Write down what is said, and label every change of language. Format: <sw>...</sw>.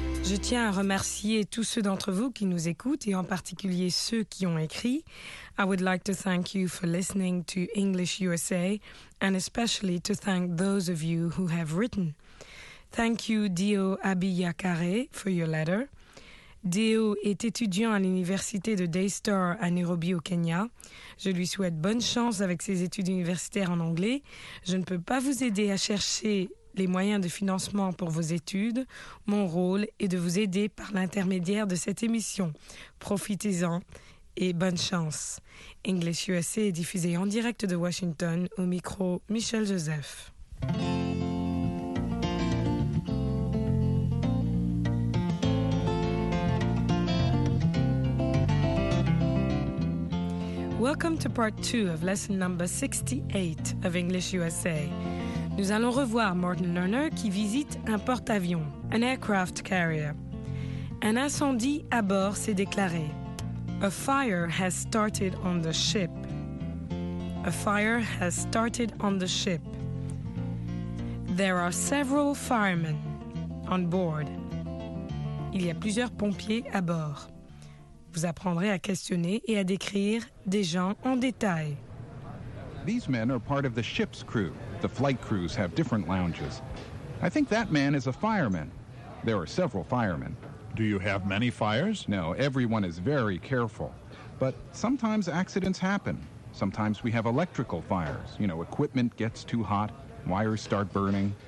<fr>Je tiens à remercier tous ceux d'entre vous qui nous écoutent et en particulier ceux qui ont écrit.</fr> <en>I would like to thank you for listening to English USA and especially to thank those of you who have written. Thank you, Dio Abiyakare, for your letter.</en> <fr>Dio est étudiant à l'université de Daystar à Nairobi au Kenya. Je lui souhaite bonne chance avec ses études universitaires en anglais. Je ne peux pas vous aider à chercher les moyens de financement pour vos études. Mon rôle est de vous aider par l'intermédiaire de cette émission. Profitez-en et bonne chance. English USA est diffusé en direct de Washington au micro Michel Joseph.</fr> <en>Welcome to part 2 of lesson number 68 of English USA.</en> <fr>Nous allons revoir Morten Lerner qui visite un porte-avions,</fr> <en>an aircraft carrier.</en> <fr>Un incendie à bord s'est déclaré.</fr> <en>A fire has started on the ship. A fire has started on the ship. There are several firemen on board.</en> <fr>Il y a plusieurs pompiers à bord. Vous apprendrez à questionner et à décrire des gens en détail.</fr> <en>These men are part of the ship's crew. The flight crews have different lounges. I think that man is a fireman. There are several firemen. Do you have many fires? No, everyone is very careful. But sometimes accidents happen. Sometimes we have electrical fires. You know, equipment gets too hot, wires start burning.</en>